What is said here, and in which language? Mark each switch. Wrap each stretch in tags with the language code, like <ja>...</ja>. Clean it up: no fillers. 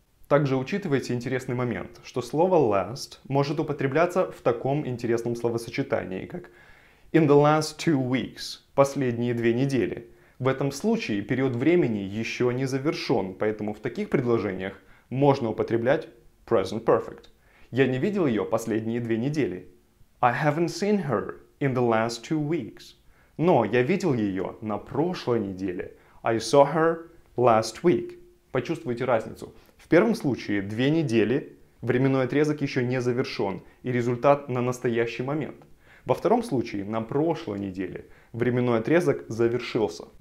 <ru>Также учитывайте интересный момент, что слово last может употребляться в таком интересном словосочетании, как</ru> <en>in the last 2 weeks,</en> <ru>последние 2 недели. В этом случае период времени еще не завершен, поэтому в таких предложениях можно употреблять present perfect. Я не видел ее последние 2 недели.</ru> <en>I haven't seen her in the last 2 weeks.</en> <ru>Но я видел ее на прошлой неделе.</ru> <en>I saw her last week.</en> <ru>Почувствуйте разницу. В первом случае 2 недели, временной отрезок еще не завершен, и результат на настоящий момент. Во втором случае, на прошлой неделе, временной отрезок завершился.</ru>